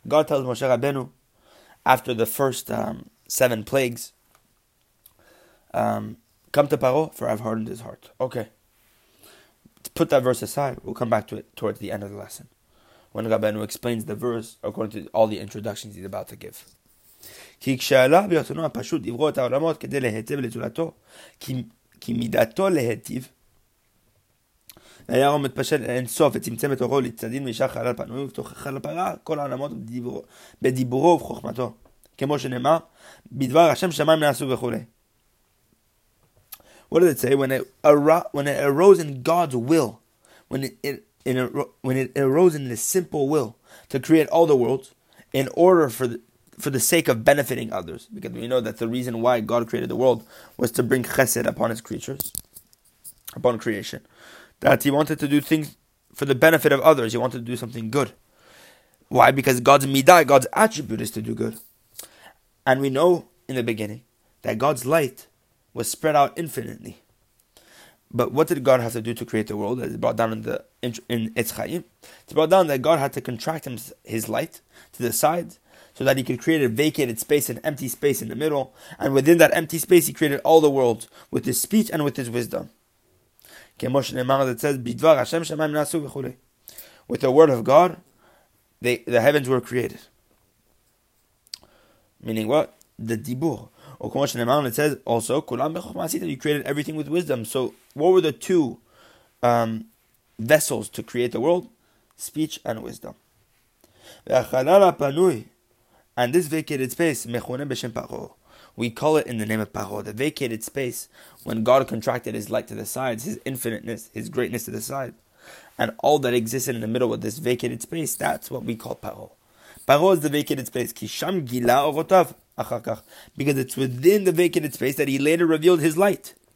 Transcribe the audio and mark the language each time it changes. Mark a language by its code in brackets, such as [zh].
[en] God tells Moshe Rabbeinu, after the first seven plagues, come to Paro, for I've hardened his heart. Okay. Put that verse aside, we'll come back to it towards the end of the lesson, when Rabbeinu explains the verse according to all the introductions he's about to give. [he] Ki k'sha'ala b'yotono ha'pashut ivro et ha'olamot kedeh lehetiv lezulato, ki midato lehetiv, היה עומד פשט אין סוף וצמצם את אורו לצדין וישר חלל פנוי ותוך חלל פרה כל העלמות בדיבורו ובחוכמתו. כמו שנאמר, בדבר השם שמיים נעשו וכו'. [en] What does it say? When it arose in God's will, when it arose in the simple will to create all the worlds in order for the sake of benefiting others. Because we know that the reason why God created the world was to bring chesed upon his creatures, upon creation. That he wanted to do things for the benefit of others. He wanted to do something good. Why? Because God's midah, God's attribute is to do good. And we know in the beginning that God's light was spread out infinitely. But what did God have to do to create the world? It's brought down in Etz Chaim. It's brought down that God had to contract his light to the sides so that he could create a vacated space, an empty space in the middle. And within that empty space, he created all the worlds with his speech and with his wisdom. [he] כמו שנאמר, [en] it says, [he] בדבר השם שמיים נעשו וכו'. [en] With the word of God, the heavens were created. Meaning what? The דיבור. Or [he] כמו שנאמר, [en] it says, also, [he] כולם בחוכמה עשית, [en] you created everything with wisdom. So, what were the two vessels to create the world? Speech and wisdom. [he] והחלל הפנוי, [en] and this vacated space, [he] מכונה בשם פרעה. [en] We call it in the name of Paro, the vacated space when God contracted his light to the sides, his infiniteness, his greatness to the side. And all that existed in the middle with this vacated space, that's what we call Paro. Paro is the vacated space. Because it's within the vacated space that he later revealed his light.